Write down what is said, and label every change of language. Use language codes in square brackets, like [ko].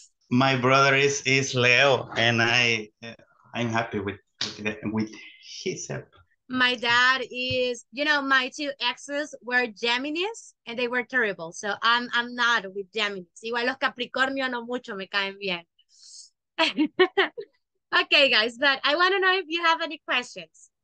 [en] My brother is Leo, and I'm happy with his help. My dad is, you know, my two exes were Geminis, and they were terrible. So I'm not with Geminis. [es] Igual los Capricornio no mucho me caen bien. [en] Okay, guys, but I want to know if you have any questions.